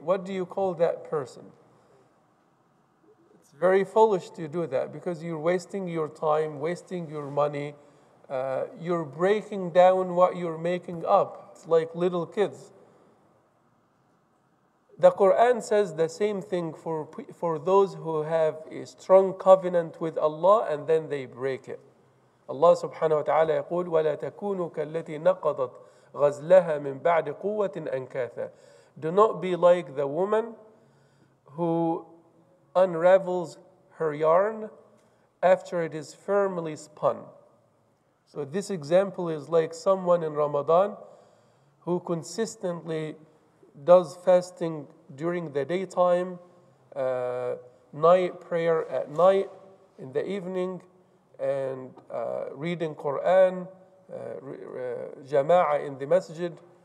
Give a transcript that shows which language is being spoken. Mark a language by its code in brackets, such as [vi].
[en] What do you call that person? It's very foolish to do that, because you're wasting your time, wasting your money. You're breaking down what you're making up. It's like little kids. The Quran says the same thing for those who have a strong covenant with Allah and then they break it. [ar] الله سبحانه وتعالى يقول ولا تكونوا كالتي نقضت غزلها من بعد قوة أنكاثا. [en] Do not be like the woman who unravels her yarn after it is firmly spun. So this example is like someone in Ramadan who consistently does fasting during the daytime, night prayer at night, in the evening, and reading Quran, jama'ah in the masjid.